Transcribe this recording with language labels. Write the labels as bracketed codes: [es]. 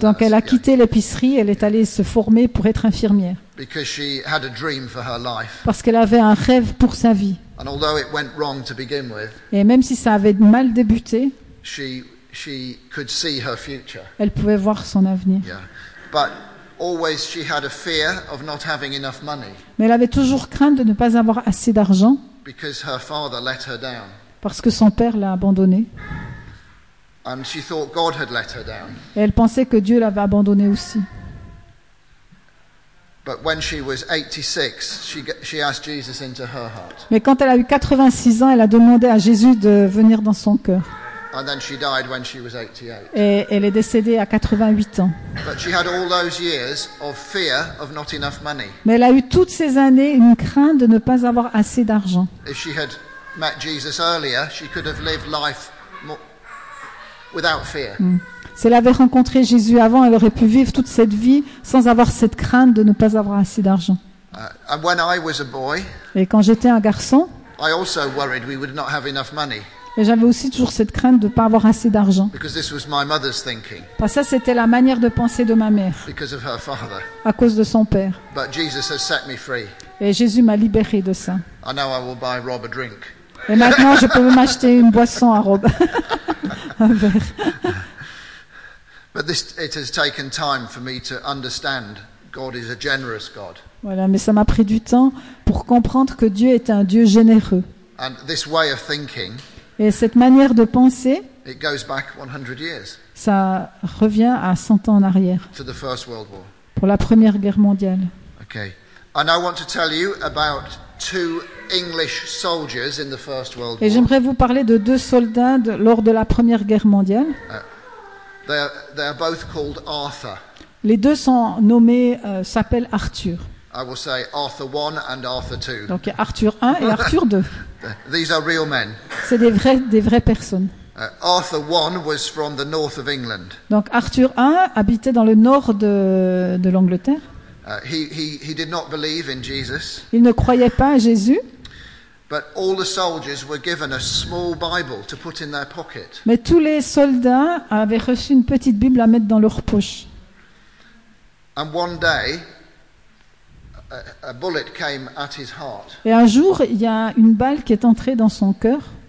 [fr] Donc elle a quitté l'épicerie, elle est allée se former pour être infirmière. [en] Because she had a dream for her life. [fr] Parce qu'elle avait un rêve pour sa vie. [en] And although it went wrong to begin with. [fr] Et même si ça avait mal débuté. [en] She could see her future. [fr] Elle pouvait voir son avenir. [en] Yeah. But always she had a fear of not having enough money. [fr] Mais elle avait toujours crainte de ne pas avoir assez d'argent. [en] Because her father let her down. [fr] Parce que son père l'a abandonnée. [en] And she thought God had let her down. [fr] Et elle pensait que Dieu l'avait abandonnée aussi. [en] But when she was 86, she asked Jesus into her heart. [fr] Mais quand elle a eu 86 ans, elle a demandé à Jésus de venir dans son cœur. [en] And then she died when she was 88. [fr] Et elle est décédée à 88 ans. [en] But she had all those years of fear of not enough money. [fr] Mais elle a eu toutes ces années une crainte de ne pas avoir assez d'argent. [en] If she had met Jesus earlier, she could have lived life without fear. Mm. [fr] Si elle avait rencontré Jésus avant, elle aurait pu vivre toute cette vie sans avoir cette crainte de ne pas avoir assez d'argent. [en] And when I was a boy, [fr] et quand j'étais un garçon, [en] I also worried we would not have enough money. [fr] Et j'avais aussi toujours cette crainte de ne pas avoir assez d'argent. Parce que ça, c'était la manière de penser de ma mère. [en] Of her father. [fr] À cause de son père. [en] But Jesus has set me free. [fr] Et Jésus m'a libéré de ça. [en] I know I will buy Rob a drink. [fr] Et maintenant, je peux m'acheter une boisson à Rob. Un verre. [en] But this, it has taken time for me to understand God is a generous God. [fr] Voilà, mais ça m'a pris du temps pour comprendre que Dieu est un Dieu généreux. [en] And this way of thinking, [fr] et cette manière de penser, [en] it goes back 100 years, [fr] ça revient à 100 ans en arrière, [en] to the First World War. [fr] Pour la Première Guerre mondiale. [en] Okay. And I want to tell you about two English soldiers in the First World War. [fr] Et j'aimerais vous parler de deux soldats lors de la Première Guerre mondiale. [en] They are both called Arthur. [fr] Les deux sont nommés, s'appellent Arthur. [en] I will say Arthur 1 and Arthur 2. [fr] Donc Arthur 1 et Arthur 2. [en] These are real men. [fr] C'est des vraies personnes. [en] Arthur 1 was from the north of England. [fr] Donc Arthur 1 habitait dans le nord de l'Angleterre. [en] He did not believe in Jesus. [fr] Il ne croyait pas à Jésus. [en] But all the soldiers were given a small Bible to put in their pocket. [fr] Mais tous les soldats avaient reçu une petite Bible à mettre dans leur poche. [en] And one day, a bullet came at his heart. [fr] Et un jour, il y a une balle qui est entrée dans son cœur.